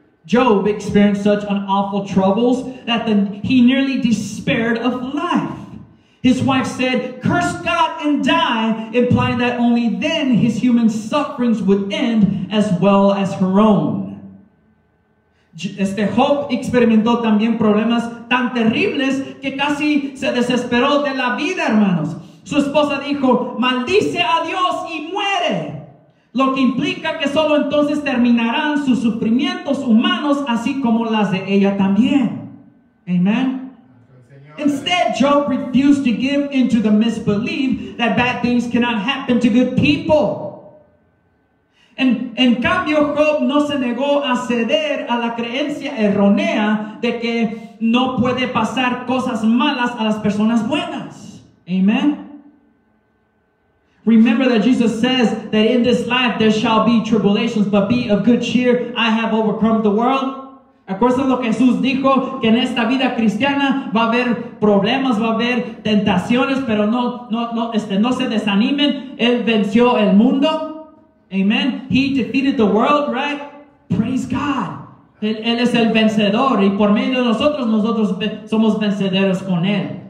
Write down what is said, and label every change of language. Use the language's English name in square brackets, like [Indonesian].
[English] Job experienced such an awful troubles that he nearly despaired of life. His wife said, "Curse God and die," implying that only then his human sufferings would end as well as her own. [Spanish] Job experimentó también problemas tan terribles que casi se desesperó de la vida, hermanos. Su esposa dijo, "Maldice a Dios y muere." Lo que implica que solo entonces terminarán sus sufrimientos humanos, así como las de ella también. Amen. [English] Instead, Job refused to give into the misbelief that bad things cannot happen to good people. [Spanish] En cambio, Job no se negó a ceder a la creencia errónea de que no puede pasar cosas malas a las personas buenas. Amen. [English] Remember that Jesus says that in this life there shall be tribulations, but be of good cheer, I have overcome the world. [Spanish] Acuérdense lo que Jesús dijo, que en esta vida cristiana va a haber problemas, va a haber tentaciones, pero no se desanimen, Él venció el mundo. Amen. [English] He defeated the world, right? Praise God. [Spanish] Él es el vencedor, y por medio de nosotros somos vencedores con Él.